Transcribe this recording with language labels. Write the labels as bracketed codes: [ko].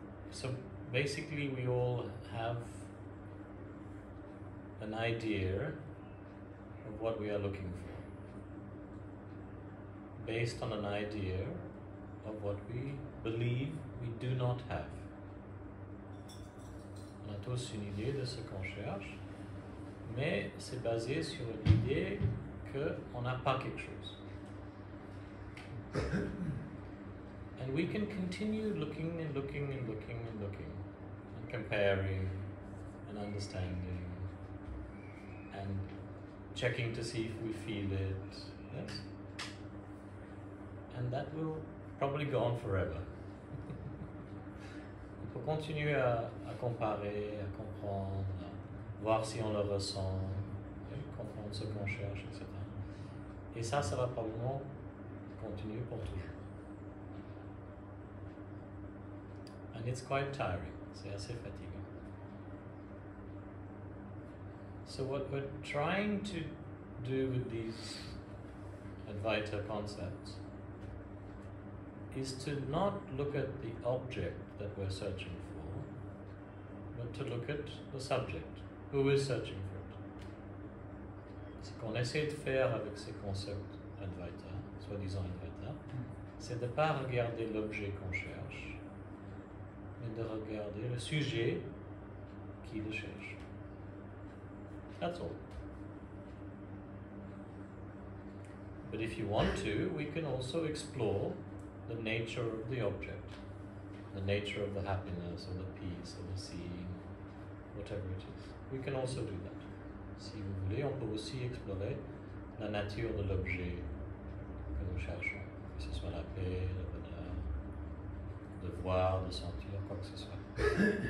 [en] So basically, we all have an idea of what we are looking for, based on an idea of what we believe we do not have. [fr] On a tous une idée de ce qu'on cherche, mais c'est basé sur l'idée qu'on n'a pas quelque chose. [en] And we can continue looking and looking and looking and looking and comparing and understanding and checking to see if we feel it, yes? And that will probably go on forever. [fr] On peut continuer à comparer, à comprendre, à voir si on le ressent, yeah? Comprendre ce qu'on cherche, etc. Et ça, ça va probablement continuer pour toujours. [en] And it's quite tiring, [fr] c'est assez fatiguant. [en] So what we're trying to do with these Advaita concepts is to not look at the object that we're searching for, but to look at the subject, who is searching for it. [fr] Ce qu'on essaie de faire avec ces concepts Advaita, soi-disant Advaita, c'est de ne pas regarder l'objet qu'on cherche, mais de regarder le sujet qui le cherche. [en] That's all. But if you want to, we can also explore the nature of the object, the nature of the happiness, or the peace, or the seeing, whatever it is. We can also do that. [fr] Si vous voulez, on peut aussi explorer la nature de l'objet que nous cherchons, que ce soit la paix, le bonheur, de voir, de sentir, quoi que ce soit.